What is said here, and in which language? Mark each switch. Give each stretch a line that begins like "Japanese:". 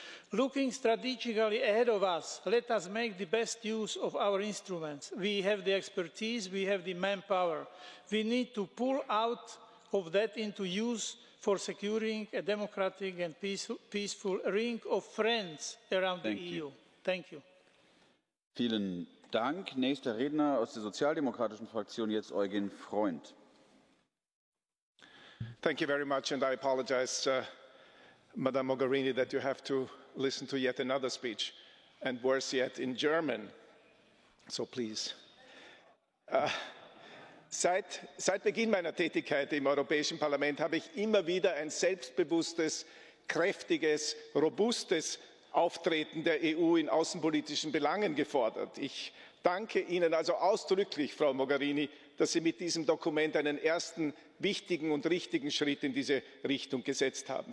English: Looking strategically ahead of us, let us make the best use of our instruments. We have the expertise, we have the manpower. We need to pull out of that into use for securing a democratic and peaceful ring of friends around the EU. Thank you.
German: Vielen Dank. Nächster Redner aus der sozialdemokratischen Fraktion, jetzt Eugen Freund.
English: Thank you very much, and I apologize, Madame Mogherini, that you have to listen to yet another speech, and worse yet, in German. So please.
German: Seit Beginn meiner Tätigkeit im Europäischen Parlament habe ich immer wieder ein selbstbewusstes, kräftiges, robustes Auftreten der EU in außenpolitischen Belangen gefordert. Ich danke Ihnen also ausdrücklich, Frau Mogherini, dass Sie mit diesem Dokument einen ersten wichtigen und richtigen Schritt in diese Richtung gesetzt haben.